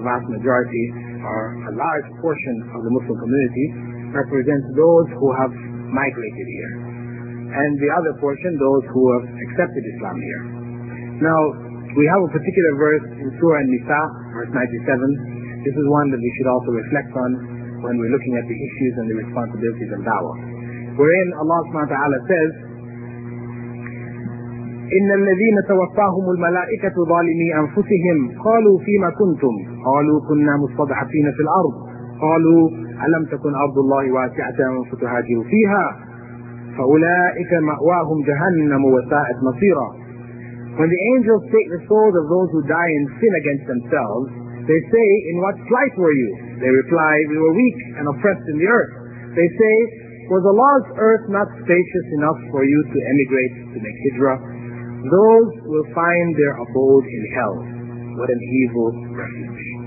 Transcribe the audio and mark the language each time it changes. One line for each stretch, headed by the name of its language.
English: The vast majority, or a large portion of the Muslim community, represents those who have migrated here. And the other portion, those who have accepted Islam here. Now, we have a particular verse in Surah An-Nisa, verse 97. This is one that we should also reflect on when we're looking at the issues and the responsibilities of da'wah. Wherein Allah subhanahu wa ta'ala says,
Arabic: إن الذين توفاهم الملائكة ظالمي أنفسهم قالوا فيما كنتم قالوا كنا مستضعفين في الأرض قالوا ألم تكن أرض الله واسعة فتهاجروا فيها فأولئك مأواهم جهنم وساءت مصيرا.
English: When the angels take the souls of those who die in sin against themselves, They say, in what plight were you? They reply, we were weak and oppressed in the earth. They say, was the Allah's earth not spacious enough for you to emigrate to make hijrah? Those will find their abode in hell. What an evil refuge.